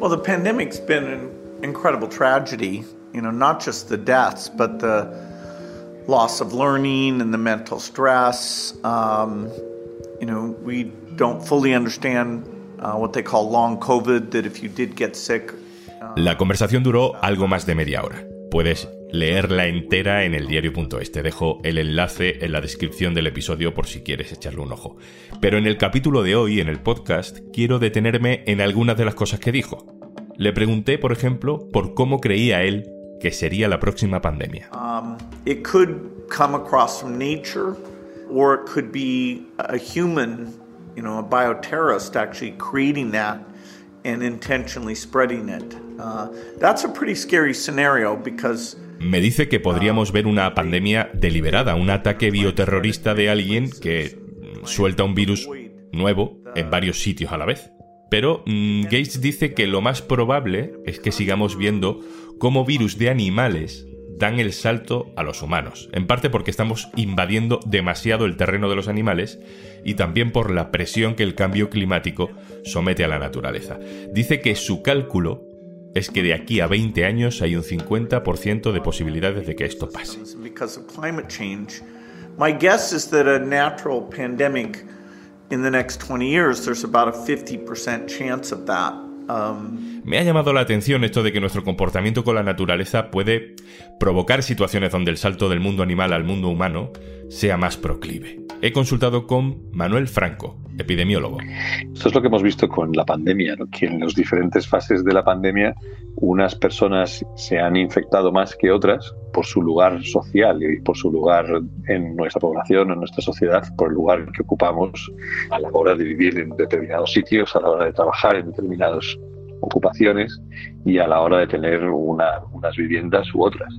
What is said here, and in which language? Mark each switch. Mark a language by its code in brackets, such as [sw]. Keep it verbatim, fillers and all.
[en] Well, the pandemic's been an incredible tragedy. You know, not just the deaths, but the loss of learning and the mental stress. Um, you know, we don't fully understand uh, what they call long COVID, that if you did get sick. Uh, [es] La conversación duró algo más de media hora. Puedes leerla entera en el diario.es. Te dejo el enlace en la descripción del episodio por si quieres echarle un ojo. Pero en el capítulo de hoy, en el podcast, quiero detenerme en algunas de las cosas que dijo. Le pregunté, por ejemplo, por cómo creía él que sería la próxima pandemia. [en] Um, it could come across from nature, or it could be a human, you know, a bioterrorist actually creating that and intentionally spreading it. Uh, that's a pretty scary scenario because... [es] Me dice que podríamos ver una pandemia deliberada, un ataque bioterrorista de alguien que suelta un virus nuevo en varios sitios a la vez. Pero mmm, Gates dice que lo más probable es que sigamos viendo cómo virus de animales dan el salto a los humanos, en parte porque estamos invadiendo demasiado el terreno de los animales y también por la presión que el cambio climático somete a la naturaleza. Dice que su cálculo es que de aquí a veinte años hay un cincuenta por ciento de posibilidades de que esto pase. [en] Because of climate change, my guess is that a natural pandemic in the next twenty years, there's about a fifty percent chance of that. Um, [es] Me ha llamado la atención esto de que nuestro comportamiento con la naturaleza puede provocar situaciones donde el salto del mundo animal al mundo humano sea más proclive. He consultado con Manuel Franco, epidemiólogo. Esto es lo que hemos visto con la pandemia, ¿no? Que en las diferentes fases de la pandemia unas personas se han infectado más que otras por su lugar social y por su lugar en nuestra población, en nuestra sociedad, por el lugar que ocupamos a la hora de vivir en determinados sitios, a la hora de trabajar en determinados ocupaciones y a la hora de tener una, unas viviendas u otras.